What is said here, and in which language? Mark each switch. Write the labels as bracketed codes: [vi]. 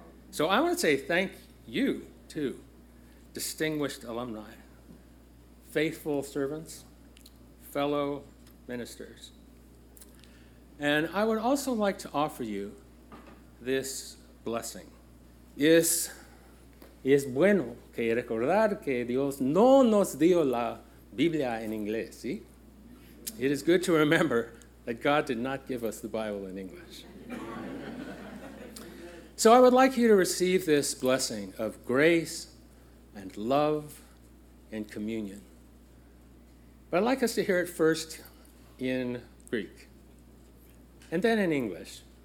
[en] So I want to say thank you, too, distinguished alumni, faithful servants, fellow ministers. And I would also like to offer you this blessing. [es] Es bueno que recordar que Dios no nos dio la Biblia en inglés, ¿sí? [en] It is good to remember that God did not give us the Bible in English. So I would like you to receive this blessing of grace and love and communion. But I'd like us to hear it first in Greek and then in English.